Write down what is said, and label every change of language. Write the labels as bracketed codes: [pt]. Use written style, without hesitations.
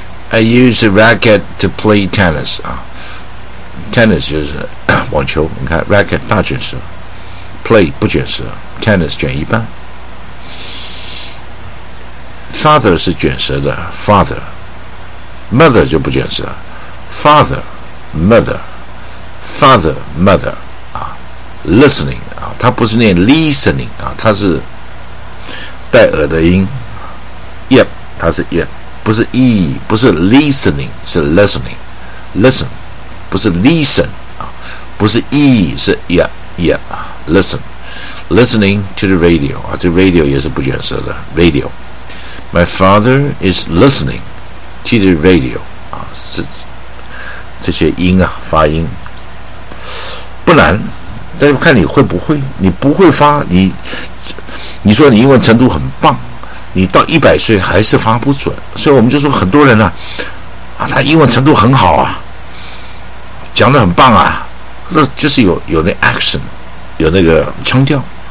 [en] I use a racket to play tennis 啊 ，tennis [zh] 就是网球。你看 racket 大卷舌 ，play 不卷舌 ，tennis 卷一半。 Father 是卷舌的 ，father。Mother 就不卷舌 ，father，mother，father，mother 啊 ，listening 啊，它不是念 listening 啊，它是带耳的音 ，yep， 它是 yep， 不是 e， 不是 listening， 是 listening，listen， 不是 listen 啊，不是 e， 是 yep 啊 ，listen， [en] listening to the radio [zh] 啊，这 radio 也是不卷舌的 radio。 [en] My father is listening to the radio. [zh] 啊，这些音啊，发音不难，但是看你会不会。你不会发，你说你英文程度很棒，你到100岁还是发不准。所以我们就说很多人啊，他英文程度很好啊，讲得很棒啊，那就是有那 action， 有那个腔调。